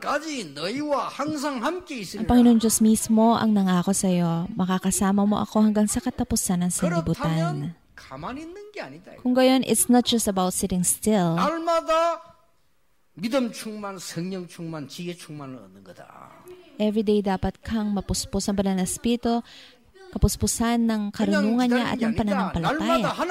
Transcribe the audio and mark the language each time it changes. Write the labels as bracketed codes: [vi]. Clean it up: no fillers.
[tl] Ang Panginoon Diyos mismo ang nangako sa iyo, makakasama mo ako hanggang sa katapusan ng sanlibutan. Kung gayon, [en] it's not just about sitting still. [ko] 날마다 믿음 충만, 성령 충만, 지혜 충만을 얻는 거다. [en] Every day [tl] dapat kang mapuspos ang banal na espiritu, kapuspusan ng karunungan niya at ng pananampalataya.